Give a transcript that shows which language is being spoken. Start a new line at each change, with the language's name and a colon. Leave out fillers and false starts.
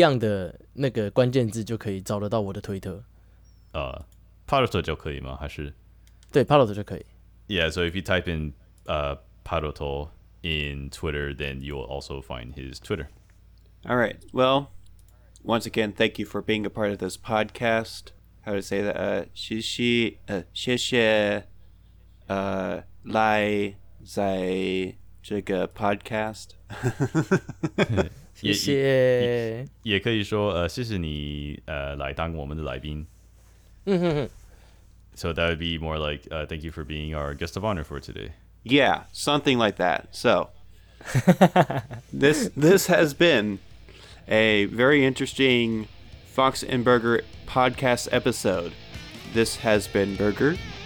Chinese: 对对对对，用一样的那个关键字就可以找得到我的推特。 Paroto 就可以吗？还是？对， Paroto 就可以。
English: Yeah, so if you type in Paroto in Twitter, then you will also find his Twitter. All right. Well, once again, thank you for being a part of this podcast. How to say that?
Chinese: 谢谢来在这个
English: podcast.
Chinese: 谢谢，也可以说谢谢你来当我们的来宾。
English: So that would be more like thank you for being our guest of honor for today. Yeah, something like that. So this has been a very interesting Fox and Burger podcast episode. This has been Burger.